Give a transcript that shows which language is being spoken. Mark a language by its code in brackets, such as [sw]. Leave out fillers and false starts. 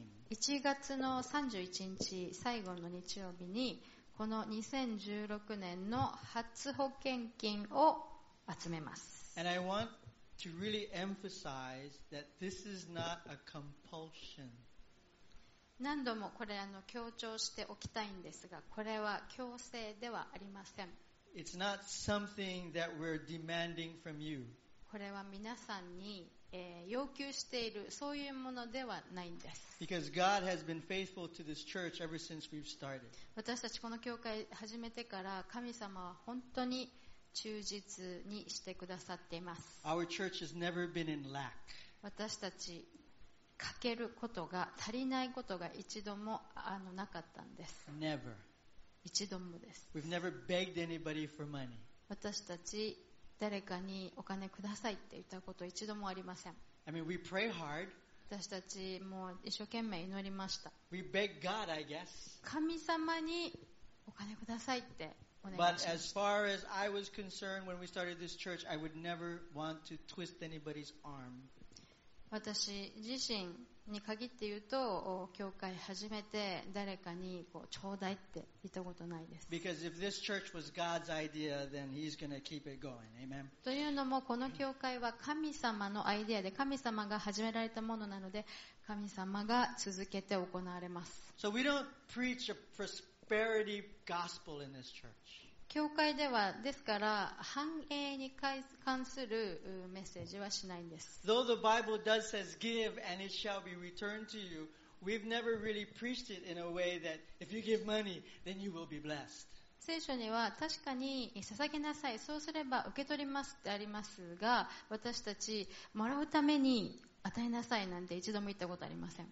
[ja] 1月の31日、最後の日曜日に、この2016年の初保険金を集めます。 [en] And I want to really emphasize that this is not a compulsion. [ja] 何度もこれ強調しておきたいんですが、これは強制ではありません。 [en] It's not something that we're demanding from you. [ja] これは皆さんに、要求しているそういうものではないんです。 [en] Because God has been faithful to this church ever since we've started. [ja] 私たちこの教会始めてから神様は本当に忠実にしてくださっています。 [en] Our church has never been in lack. [ja] 私たち欠けることが足りないことが一度もなかったんです。 [en] Never. [ja] 一度もです。 [en] We've never begged anybody for money. [ja] 私たち誰かにお金くださいって言ったこと一度もありません。 [en] I mean, we pray hard. [ja] 私たちも一生懸命祈りました。 [en] We beg God, I guess. [ja] 神様にお金くださいってお願いします。 [en] But as far as I was concerned when we started this church, I would never want to twist anybody's arm. [ja] 私自身に限って言うと教会初めて誰かにこうちょうだいって言ったことないです。 [en] Because if this church was God's idea, then he's going to keep it going. Amen. [ja] というのもこの教会は神様のアイデアで神様が始められたものなので神様が続けて行われます。 [en] So we don't preach a prosperity gospel in this church. [ja] 教会ではですから繁栄に関するメッセージはしないんです。 [en] Though the Bible does says give and it shall be returned to you, we've never really preached it in a way that if you give money, then you will be blessed. [ja] 聖書には確かに捧げなさい、そうすれば受け取りますってありますが、私たちもらうために与えなさいなんて一度も言ったことありません。